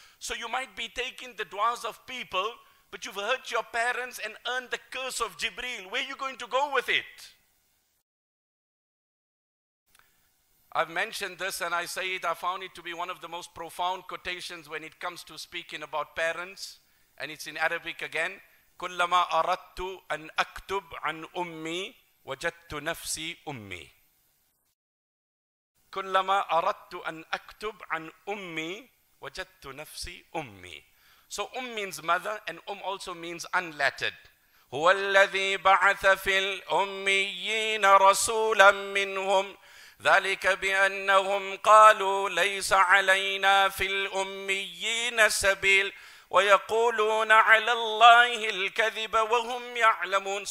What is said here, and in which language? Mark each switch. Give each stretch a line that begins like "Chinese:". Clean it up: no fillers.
English: So you might be taking the du'as of people, but you've hurt your parents and earned the curse of Jibreel. Where are you going to go with it? I've mentioned this and I say it, I found it to be one of the most profound quotations when it comes to speaking about parents. And it's in Arabic again.
Arabic: كُلَّمَا أَرَدْتُ أَنْ أَكْتُبْ عَنْ أُمِّي وَجَدْتُ نَفْسِي أُمِّي كُلَّمَا أَرَدْتُ أَنْ أَكْتُبْ عَنْ أُمِّي وَجَدْتُ نَفْسِي أُمِّي.
English: So means mother, and also means unlettered.
Arabic: هُوَ الَّذِي بَعَثَ فِي الْأُمِّيِّينَ رَسُولًا مِّنْهُمْ ذَلِكَ بِأَنَّهُمْ قَالُوا لَيْسَ عَلَيْنَا فِي الْأُمِّيِّينَ سَبِيلٌ وَيَقُولُونَ عَلَى اللَّهِ الْكَذِبَ وَهُمْ يَعْلَمُونَ.